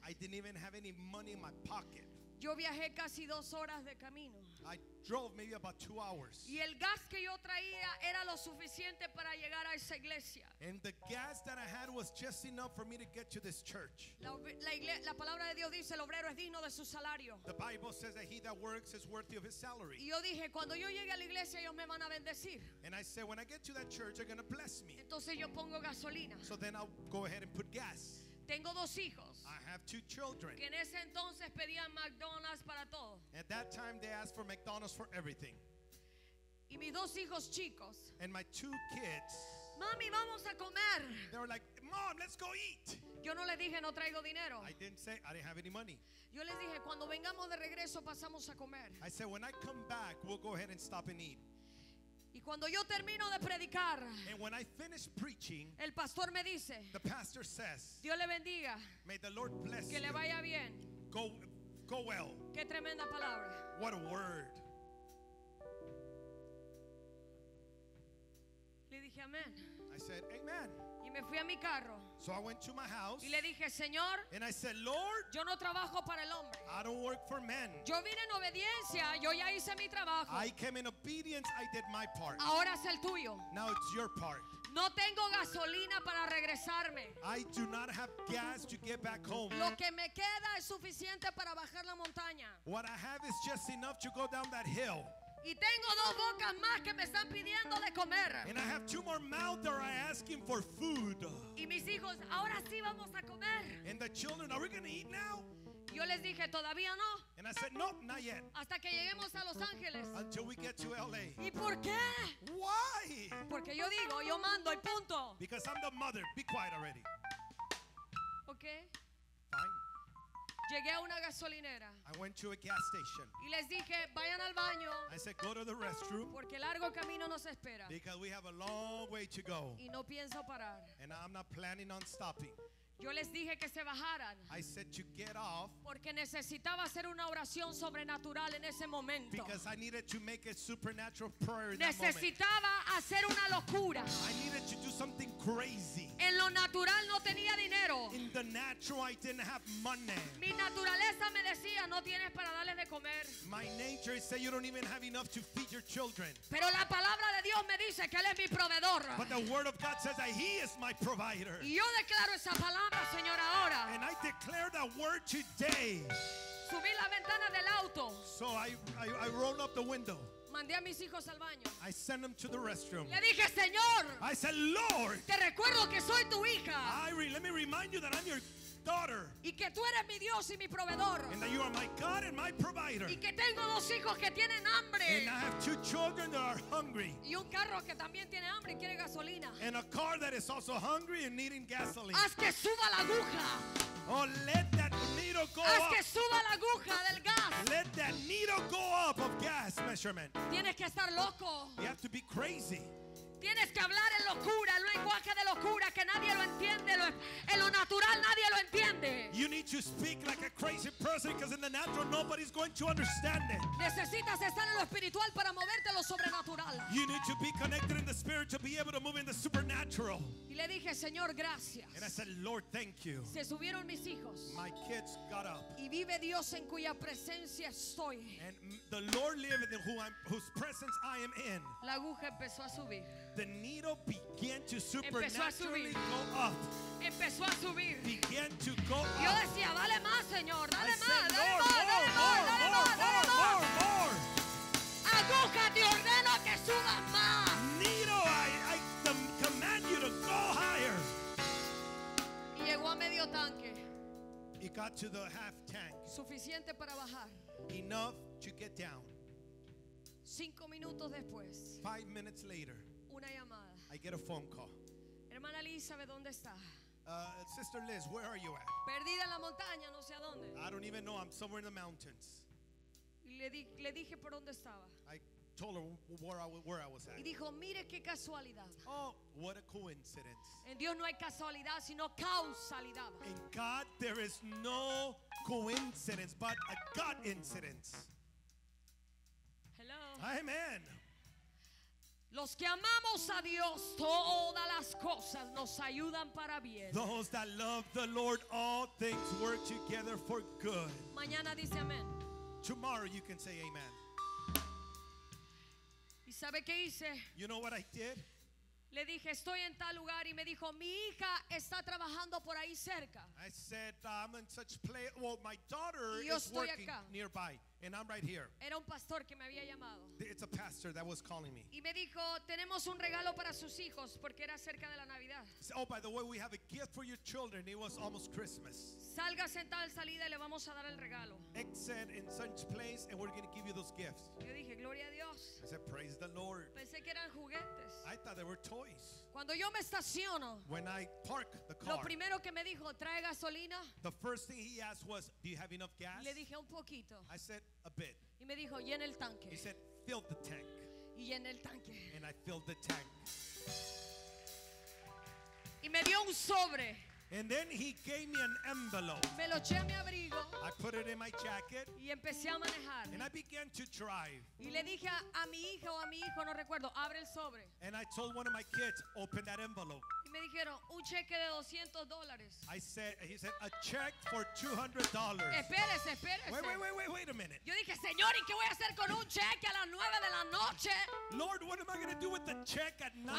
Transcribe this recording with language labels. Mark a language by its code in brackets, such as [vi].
[en] I didn't even have any money in my pocket. [es] Yo viajé casi dos horas de camino. [en] I drove maybe about 2 hours. [es] Y el gas que yo traía era lo suficiente para llegar a esa iglesia. [en] And the gas that I had was just enough for me to get to this church. [es] La palabra de Dios dice, el obrero es digno de su salario. [en] The Bible says that he that works is worthy of his salary. [es] Y yo dije, cuando yo llegue a la iglesia, ellos me van a bendecir. [en] And I said, when I get to that church, they're going to bless me. [es] Entonces yo pongo gasolina. [en] So then I'll go ahead and put gas. [es] Tengo dos hijos. [en] I have two children. [es] Que en ese entonces pedían McDonald's para todo. [en] At that time they asked for McDonald's for everything. [es] Y mis dos hijos chicos. [en] And my two kids. [es] Mami, vamos a comer. [en] They were like, Mom, let's go eat. [es] Yo no les dije no traigo dinero. [en] I didn't say I didn't have any money. [es] Yo les dije cuando vengamos de regreso pasamos a comer. [en] I said when I come back we'll go ahead and stop and eat. [es] Y cuando yo termino de predicar, [en] and when I finish preaching, [es] el pastor me dice, [en] the pastor says, [es] Dios le bendiga, [en] may the Lord bless [es] que [en] you, [es] le vaya bien. [en] Go well. [es] Qué tremenda palabra. [en] What a word. [es] Le dije amén. [en] I said amen. [es] Y me fui a mi carro. [en] So I went to my house. [es] Y le dije, Señor, [en] and I said, Lord, [es] yo no trabajo para el hombre. [en] I don't work for men. [es] Yo vine en obediencia, yo ya hice mi trabajo. [en] I came in obedience, I did my part. [es] Ahora es el tuyo. [en] Now it's your part. [es] No tengo gasolina para regresarme. [en] I do not have gas to get back home. [es] Lo que me queda es suficiente para bajar la montaña. [en] What I have is just enough to go down that hill. [es] Y tengo dos bocas más que me están pidiendo de comer. [en] And I have two more mouths that are asking for food. [es] Y mis hijos, ahora sí vamos a comer. [en] And the children, are we going to eat now? [es] Yo les dije, todavía no. [en] And I said, nope, not yet. [es] Hasta que lleguemos a Los Ángeles. [en] Until we get to LA. [es] ¿Y por qué? [en] Why? [es] Porque yo digo, yo mando y punto. [en] Because I'm the mother. Be quiet already. Okay. Fine. [es] Llegué a una gasolinera. [en] I went to a gas station. [es] Y les dije, vayan al baño. [en] I said, go to the restroom. [es] Porque largo camino nos espera. [en] Because we have a long way to go. [es] Y no pienso parar. [en] And I'm not planning on stopping. [es] Yo les dije que se bajaran. [en] I said to get off. [es] Porque necesitaba hacer una oración sobrenatural en ese momento. [en] Because I needed to make a supernatural prayer. [es] Necesitaba hacer una locura. [en] I needed to do something crazy. [es] En lo natural no tenía dinero. [en] In the natural I didn't have money. [es] Mi naturaleza me decía, no tienes para darles de comer. [en] My nature said you don't even have enough to feed your children. [es] Pero la palabra de Dios me dice que él es mi proveedor. [en] But the word of God says that he is my provider. [es] Y yo declaro esa palabra. [en] And I declare that word today. [es] Subí la ventana del auto. [en] So I rolled up the window. [es] Mandé a mis hijos al baño. [en] I sent them to the restroom. [es] Le dije, Señor, [en] I said, Lord, [es] te recuerdo que soy tu hija. [en] Let me remind you that I'm your daughter. [es] Y que tú eres mi Dios y mi proveedor. [en] And that you are my God and my provider. [es] Y que tengo dos hijos que tienen hambre. [en] And I have two children that are hungry. [es] Y un carro que también tiene hambre y quiere gasolina. [en] And a car that is also hungry and needing gasoline. [es] Haz que suba la aguja. [en] Oh, let that needle go [es] Haz [en] up. [es] Que suba la aguja del gas. [en] Let that needle go up of gas measurement. [es] Tienes que estar loco. [en] You have to be crazy. [es] Tienes que hablar en locura, el lenguaje de locura que nadie lo entiende, en lo natural nadie lo entiende. [en] You need to speak like a crazy person because in the natural nobody's going to understand it. [es] Necesitas estar en lo espiritual para moverte en lo sobrenatural. [en] You need to be connected in the spirit to be able to move in the supernatural. [es] Y le dije, Señor, gracias. [en] And I said, Lord, thank you. [es] Se subieron mis hijos. [en] My kids got up. [es] Y vive Dios en cuya presencia estoy. [en] And the Lord liveth in whose presence I am in. [es] La aguja empezó a subir. [en] The needle began to supernaturally go up. [es] Empezó a subir. [en] Began to go up. [es] Yo decía, dale más, Señor, dale más, dale más, dale más, dale más, dale más. [en] More, more. [es] Aguja, te ordeno que subas más. [en] Needle, I command you to go higher. [es] Y llegó a medio tanque. [en] It got to the half tank. [es] Suficiente para bajar. [en] Enough to get down. [es] 5 minutos después. [en] 5 minutes later. [es] Una llamada. [en] I get a phone call. [es] Hermana Elizabeth, ¿dónde está? [en] Sister Liz, where are you at? [es] Perdida en la montaña, no sé a dónde. [en] I don't even know. I'm somewhere in the mountains. [es] Le dije por dónde estaba. [en] I told her where I was at. [es] Y dijo, mire qué casualidad. [en] Oh, what a coincidence. [es] En Dios no hay casualidad, sino causalidad. [en] In God there is no coincidence, but a God incidence. Hello. Amen. [es] Los que amamos a Dios, todas las cosas nos ayudan para bien. [en] Those that love the Lord, all things work together for good. [es] Mañana dice amén. [en] Tomorrow you can say amen. [es] ¿Y sabe qué hice? [en] You know what I did? [es] Le dije, estoy en tal lugar, y me dijo, mi hija está trabajando por ahí cerca. [en] I said, I'm in such place. Well, my daughter [es] y yo estoy [en] is working [es] acá. [en] Nearby. And I'm right here. [es] Era un pastor que me había llamado. [en] It's a pastor that was calling me. [es] Y me dijo, tenemos un regalo para sus hijos porque era cerca de la Navidad. [en] So, oh, by the way, we have a gift for your children. It was almost Christmas. [es] Salga sentado en salida y le vamos a dar el regalo. [en] Exit in such place and we're going to give you those gifts. [es] Yo dije, gloria a Dios. [en] I said, praise the Lord. [es] Pensé que eran juguetes. [en] I thought they were toys. [es] Cuando yo me estaciono, [en] when I park the car, [es] lo primero que me dijo, ¿trae gasolina? [en] The first thing he asked was, do you have enough gas? [es] Le dije, un poquito. [en] I said, a bit. [es] Y me dijo, llena el tanque. [en] He said, fill the tank. [es] Y llena el tanque. [en] And I filled the tank. [es] Y me dio un sobre. [en] And then he gave me an envelope. [es] Me lo eché a mi abrigo. [en] I put it in my jacket. [es] Y empecé a manejar. [en] And I began to drive. [es] Y le dije a mi hija o a mi hijo, no recuerdo, abre el sobre. [en] And I told one of my kids, open that envelope. [es] Y me dijeron, un cheque de $200. [en] I said, he said, a check for $200. [es] Espérese, espérese. [en] Wait a minute. [es] Yo dije, Señor, ¿y qué voy a hacer con un cheque a las 9 de la noche? [en] Lord, what am I going to do with the check at 9 o'clock?